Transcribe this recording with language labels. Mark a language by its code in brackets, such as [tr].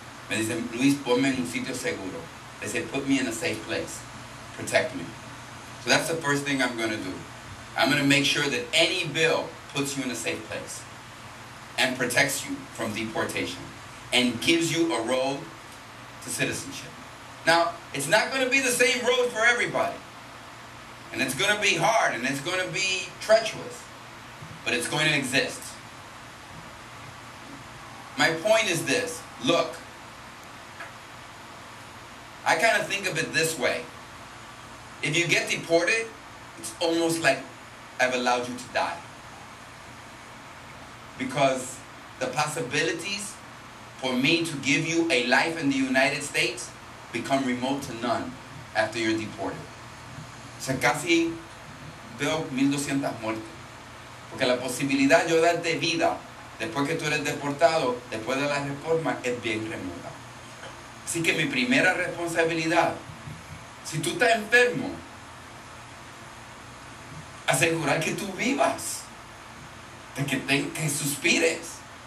[es] Me dicen, Luis, ponme en un sitio seguro. [en] They say, put me in a safe place. Protect me. So that's the first thing I'm going to do. I'm going to make sure that any bill puts you in a safe place and protects you from deportation and gives you a road to citizenship. Now, it's not going to be the same road for everybody. And it's going to be hard and it's going to be treacherous. But it's going to exist. My point is this, look, I kind of think of it this way. If you get deported, it's almost like I've allowed you to die. Because the possibilities for me to give you a life in the United States become remote to none after you're deported. [es] Se casi veo 1,200 muertes. Porque la posibilidad yo darte vida después que tú eres deportado, después de la reforma, es bien remota. Así que mi primera responsabilidad, si tú estás enfermo, asegurar que tú vivas, de que suspires.